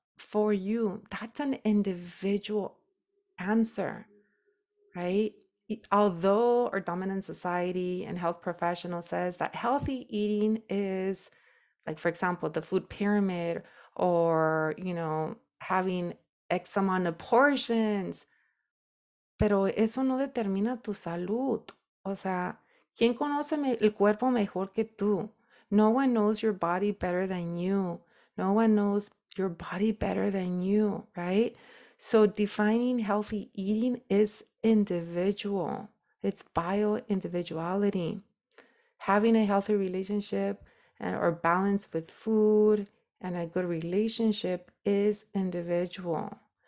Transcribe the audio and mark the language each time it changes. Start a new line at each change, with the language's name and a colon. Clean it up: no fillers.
English: For you, that's an individual answer, right? Although our dominant society and health professional says that healthy eating is, like, for example, the food pyramid, or, you know, having X amount of portions.
Spanish: Pero eso no determina tu salud. O sea, ¿quién conoce el cuerpo mejor que tú?
English: No one knows your body better than you. No one knows your body better than you, right? So defining healthy eating is individual. It's bio-individuality. Having a healthy relationship and or balance with food and a good relationship is individual.